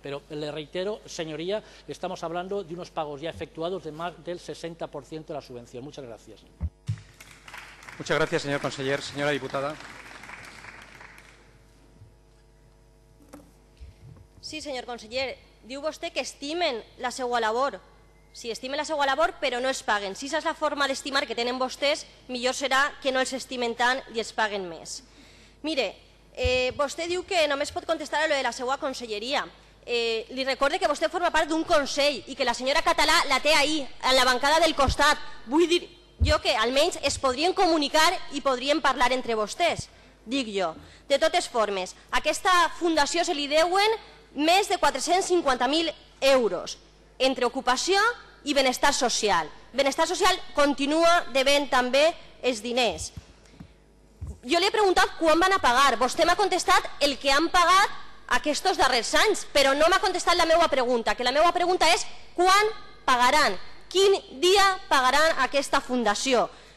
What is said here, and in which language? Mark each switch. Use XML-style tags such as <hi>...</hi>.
<es>Pero le reitero, señoría, estamos hablando de unos pagos ya efectuados de más del 60% de la subvención. Muchas gracias. Muchas gracias, señor conseller. Señora diputada.</es> <ca>Sí,</ca> <es>señor conseller,</es> <ca>diu usted que estimen la seua labor. Sí, estimen la seua labor,</ca> <es>pero</es> <ca>no es paguen.</ca> <es>Si esa es la forma de estimar que tienen vostès, mejor será que</es> <ca>no els estimen tan</ca> <es>y</es> <ca>els paguen més. Mire, vostè diu que només pot contestar a lo de la seua conselleria. Li recorde que vostè forma part d'un Consell i que la senyora Català la té ahí, en la bancada del costat. Vull dir jo que almenys es podrien comunicar i podrien parlar entre vostès.</ca> <es>digo yo. De todas formas, a esta fundación se le deuen más de 450.000 euros entre ocupación y bienestar social. Bienestar social continúa debent también</es> <ca>es diners.</ca> <es>Yo le he preguntado cuándo van a pagar. Vostè me ha contestado el que han pagado a estos darrers anys, pero no me ha contestado</es> <ca>la meva pregunta, que la meva pregunta</ca> <es>es cuándo pagarán,</es> <ca>quin día</ca> <es>pagarán a esta fundación.</es>